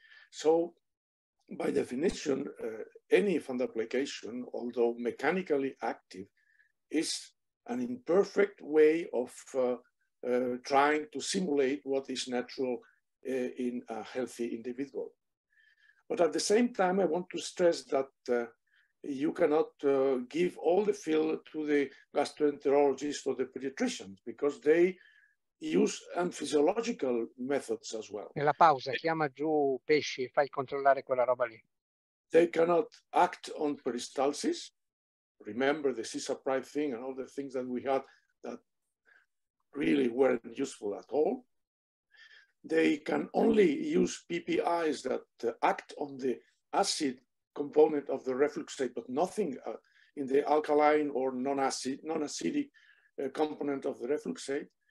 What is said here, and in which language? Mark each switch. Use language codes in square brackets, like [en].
[en] So by definition, any fundoplication, although mechanically active, is an imperfect way of trying to simulate what is natural in a healthy individual. But at the same time, I want to stress that you cannot give all the fill to the gastroenterologists or the pediatricians, because they use physiological methods as well. [it] Nella pausa, chiama giù pesci, fai controllare quella roba lì. [en] They cannot act on peristalsis. Remember the sisapride thing and all the things that we had that really weren't useful at all. They can only use PPIs that act on the acid component of the reflux state, but nothing in the alkaline or non-acidic component of the reflux state.